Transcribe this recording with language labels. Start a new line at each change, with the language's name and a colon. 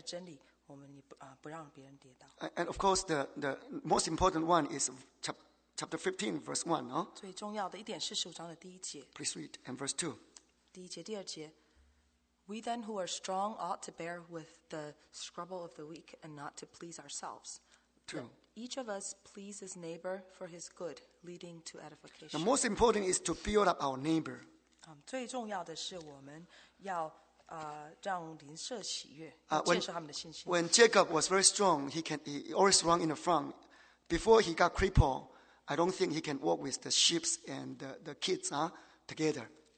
Chinese: 说还有很多可以讨论的，不过我们所知道的确认的真理，我们也不让别人跌倒。
English: And of course, the most important one is chapter 15, verse 1.
Chinese: 最重要的一点是十五章的第一节。
English: Please read, and verse 2.
Chinese: 第一节，第二节。
English: We then who are strong ought to bear with the struggle of the weak and not to please ourselves. Each of us please his neighbor for his good, leading to edification. The most important is to build up our neighbor.
Chinese: 最重要的是我们要让邻舍喜悦，建设他们的信心。
English: When Jacob was very strong, he always ran in the front. Before he got crippled, I don't think he can walk with the sheep and the kids together.